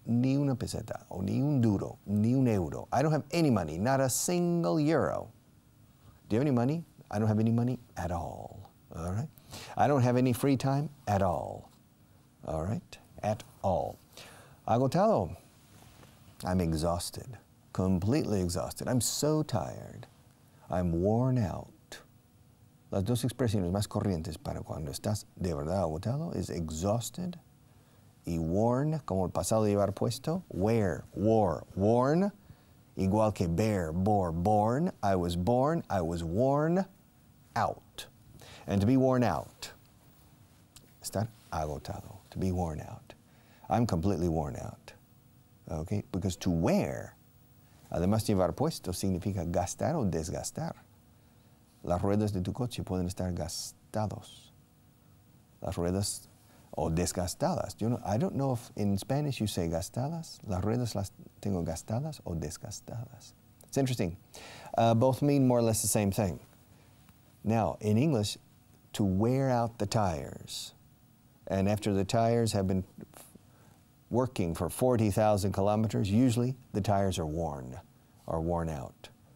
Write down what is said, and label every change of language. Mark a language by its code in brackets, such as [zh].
[es] Ni una peseta, o ni un duro, ni un euro. [en] I don't have any money, not a single euro. Do you have any money? I don't have any money at all. All right? I don't have any free time at all. All right? At all. Agotado. I'm exhausted. Completely exhausted. I'm so tired. I'm worn out. [es] Las dos expresiones más corrientes para cuando estás de verdad agotado es exhausted y worn, como el pasado de llevar puesto. [en] Wear, wore, worn, [es] igual que [en] bear, bore, born. I was born, I was worn out. And to be worn out, [es] estar agotado, [en] to be worn out. I'm completely worn out, okay? Because to wear, [es] además de llevar puesto, significa gastar o desgastar. Las ruedas de tu coche pueden estar gastados. Las ruedas, o desgastadas. [en] You know, I don't know if in Spanish you say gastadas. [es] Las ruedas las tengo gastadas o desgastadas. [en] It's interesting. Both mean more or less the same thing. Now, in English, to wear out the tires. And after the tires have been working for 40,000 kilometers, usually the tires are worn or worn out.